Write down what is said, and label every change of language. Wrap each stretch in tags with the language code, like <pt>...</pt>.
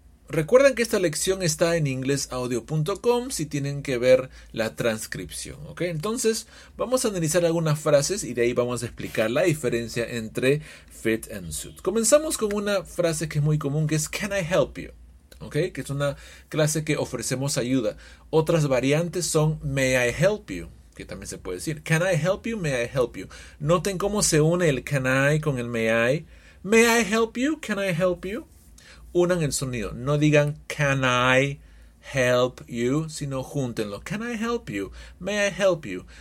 <es>Recuerden que esta lección está en inglesaudio.com si tienen que ver la transcripción, ¿ok? Entonces, vamos a analizar algunas frases y de ahí vamos a explicar la diferencia entre</es> <en>fit and suit.</en> <es>Comenzamos con una frase que es muy común, que es</es> <en>Can I help you?</en> <es>¿Ok? Que es una clase que ofrecemos ayuda. Otras variantes son</es> <en>May I help you?</en> <es>Que también se puede decir</es> <en>Can I help you?</en> <es>May I help you? Noten cómo se une el Can I con el May I.</es> <en>May I help you? Can I help you?</en> <es>Unan el sonido. No digan,</es> <en>can I help you?</en> <es>Sino júntenlo.</es> <en>Can I help you? May I help you?</en>